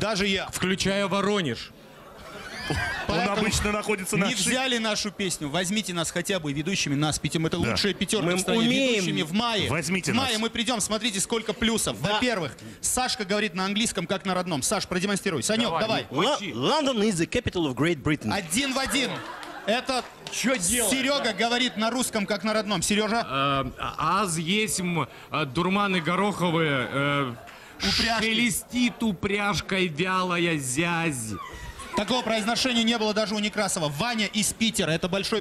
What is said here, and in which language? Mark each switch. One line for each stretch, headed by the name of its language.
Russian: Даже я. Включая Воронеж. Он обычно находится на... Не взяли нашу песню. Возьмите нас хотя бы ведущими, нас пятим. Это лучшая пятерка в стране. Мы умеем. Ведущими в мае. Возьмите нас. В мае мы придем, смотрите, сколько плюсов. Во-первых, Сашка говорит на английском, как на родном. Саш, продемонстрируй. Санек, давай.
English: London is the capital of Great Britain.
Russian: Один в один. Это что делать? Серега говорит на русском, как на родном. Сережа? Аз есть дурманы гороховые, шелестит упряжкой вялая зязь. Такого произношения не было даже у Некрасова. Ваня из Питера, это большой